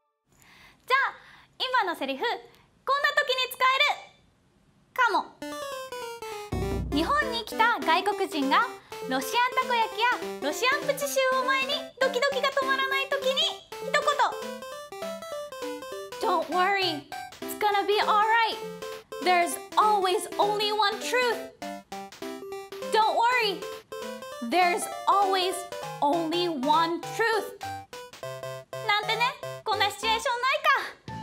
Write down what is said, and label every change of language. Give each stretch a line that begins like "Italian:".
Japanese: じゃあ今のセリフ、こんな時に使えるかも。日本に来た外国人がロシアンたこ焼きやロシアンプチシューを前にドキドキが止まらない時に一言。
English: Don't worry, it's gonna be alright. There's always only one truth. Don't worry, there's always only one truth.
Japanese: なんてね、こんなシチュエーションないか。